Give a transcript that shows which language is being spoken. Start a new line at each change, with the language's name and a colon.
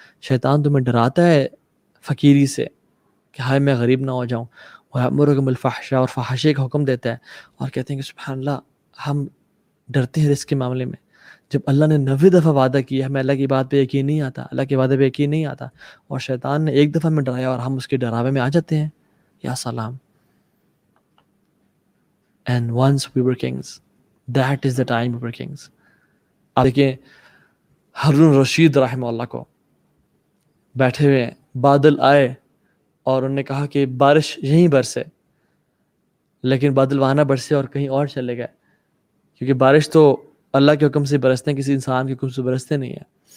Urdu: شیطان تمہیں ڈراتا ہے فقیری سے کہ ہائے میں غریب نہ ہو جاؤں,
Arabic: ویأمرکم بالفحشاء
Urdu: اور فحاشے کا حکم دیتا ہے, اور کہتے ہیں کہ سبحان اللہ ہم ڈرتے ہیں رزق کے معاملے میں. جب اللہ نے 90 دفعہ وعدہ کیا ہمیں اللہ کی بات پہ یقین نہیں آتا, اللہ کے وعدے پہ یقین نہیں آتا, اور شیطان نے 1 دفعہ میں ڈرایا اور ہم اس کے ڈراوے میں آ جاتے ہیں. یا سلام.
English: And once we were kings, that is the time we were kings.
Urdu: آپ دیکھیں ہارون رشید رحمہ اللہ کو بیٹھے ہوئے ہیں, بادل آئے اور انہوں نے کہا کہ بارش یہیں برسے, لیکن بادل وہاں نہ برسے اور کہیں اور چلے گئے, کیونکہ بارش تو اللہ کے حکم سے برستے ہیں, کسی انسان کے حکم سے برستے نہیں ہیں.